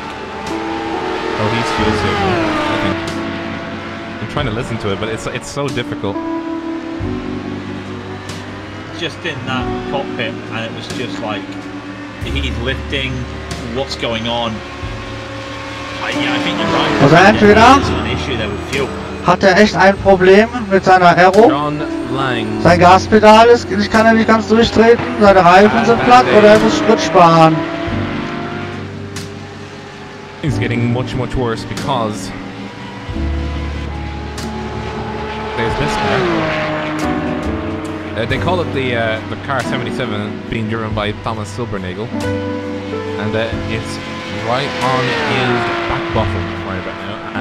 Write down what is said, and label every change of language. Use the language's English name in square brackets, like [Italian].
[English] Oh, he's fuel saving. I'm trying to listen to it, but it's so difficult. Just in that cockpit, and it was just like, he's lifting, what's going on? I think you're right. [German] Was er entweder? Hat er echt ein Problem mit seiner Aero? Sein Gaspedal ist, ich kann er nicht ganz durchtreten, seine Reifen sind platt, oder er muss Sprit sparen? [English] It's getting much, much worse, because there's this car. They call it the car 77, being driven by Thomas Silbernagel, and it's right on his back bottom right about now.